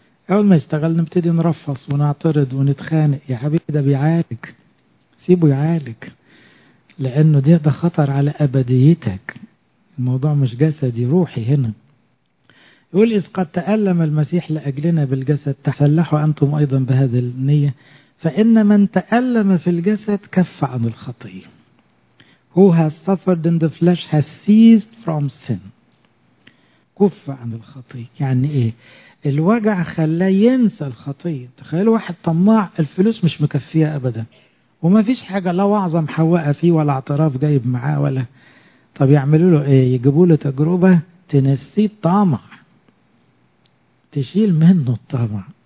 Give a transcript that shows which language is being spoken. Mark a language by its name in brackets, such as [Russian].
[Arabic] اول ما يشتغل نبتدي نرفص ونعترض ونتخانق. يا حبيبي ده بيعالج، سيبه يعالج، لانه ده خطر على ابديتك. الموضوع مش جسدي، روحي. هنا يقول إذ قد تألم المسيح لأجلنا بالجسد تفلحوا أنتم أيضا بهذه النية، فإن من تألم في الجسد كف عن الخطية. [English] Who has suffered in the flesh has ceased from sin. [Arabic] كف عن الخطية يعني إيه؟ الوجع خلاه ينسى الخطية. تخيل واحد طماع الفلوس مش مكفية أبدا، وما فيش حاجة لا أعظم حوقة فيه ولا اعتراف جايب معاه ولا. طب يعملوا له إيه؟ يجيبوا له تجربة تنسي الطمع، تشيل منه الطمع.